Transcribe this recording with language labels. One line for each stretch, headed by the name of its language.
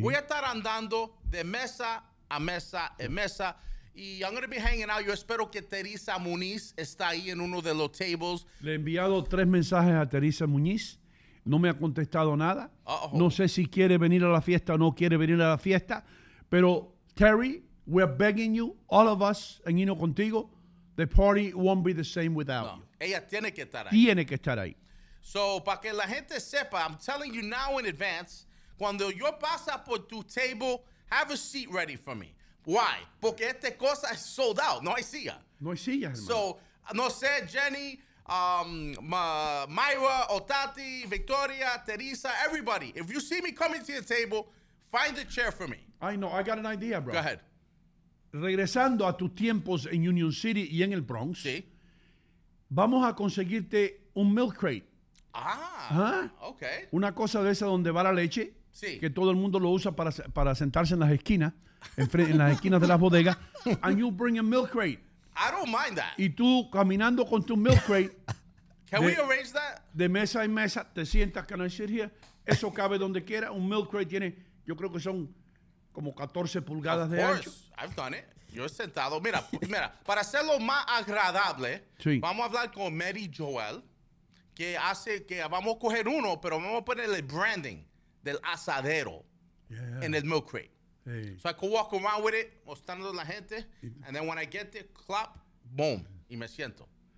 Spanish: voy a estar andando de mesa a mesa en mesa. Y
English: I'm going to be hanging out.
Spanish: Yo espero que Teresa Muñiz está ahí en uno de los tables. Le he enviado 3 mensajes a Teresa Muñiz. No me ha contestado nada. Uh-oh. No sé si quiere venir a la fiesta o no quiere venir a la fiesta.
English: Pero, Terry, we're begging you, all of us, and you know, contigo, the party won't be the same without you.
Spanish: Ella tiene que estar ahí. Tiene que estar ahí.
English: So,
Spanish: para que la gente sepa,
English: I'm telling you now in advance,
Spanish: cuando yo pasa por tu table,
English: have a seat ready for me. Why?
Spanish: Porque esta cosa es
English: sold out.
Spanish: No hay silla. No hay silla, hermano. So, no sé, Jenny, Myra, Otati, Victoria, Teresa, everybody.
English: If you see me coming to the table, find a chair for me. I know. I got an idea, bro. Go ahead.
Spanish: Regresando a tus tiempos en Union City y en el Bronx. Sí. Vamos a conseguirte un milk crate. Ah. ¿Ah?
English: Okay.
Spanish: Una cosa de esa donde va la leche. Sí. Que todo el mundo lo usa para sentarse en las esquinas. En las esquinas de las bodegas.
English: And you bring a milk crate. I don't mind that.
Spanish: Y tú caminando con tu milk crate.
English: Can we arrange that?
Spanish: De mesa en mesa, te sientas,
English: can I sit here?
Spanish: Eso cabe donde quiera. Un milk crate tiene, yo creo que son como 14 pulgadas de ancho.
English: Of course, I've done it.
Spanish: Yo he sentado. Mira, para hacerlo más agradable, sí. vamos a hablar con Mary Joel, que hace que vamos a coger uno, pero vamos a ponerle branding del asadero
English: yeah.
Spanish: en el milk crate.
English: Hey. So I could walk around with it,
Spanish: mostrando la gente,
English: and then when I get there, clap, boom,
Spanish: y me siento.